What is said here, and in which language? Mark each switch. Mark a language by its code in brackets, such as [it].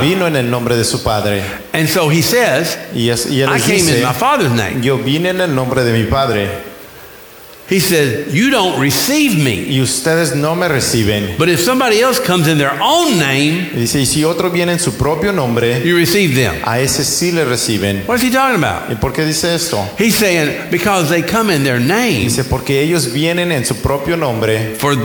[es] Él vino en el nombre de su padre. [en] And so he says, [es] y él [en] I came [es] dice, [en] in my Father's name. [es] Yo vine en el nombre de mi padre. [en] He says, you don't receive me. [es] Y ustedes no me reciben. [en] But if somebody else comes in their own name, [es] dice, y si otro viene en su propio nombre, [en] you receive them. [es] A ese sí le reciben. [en] What is he talking about? [es] ¿Y por qué dice esto? [en] He's saying, because they come in their name. [es] Dice, porque ellos vienen en su propio nombre.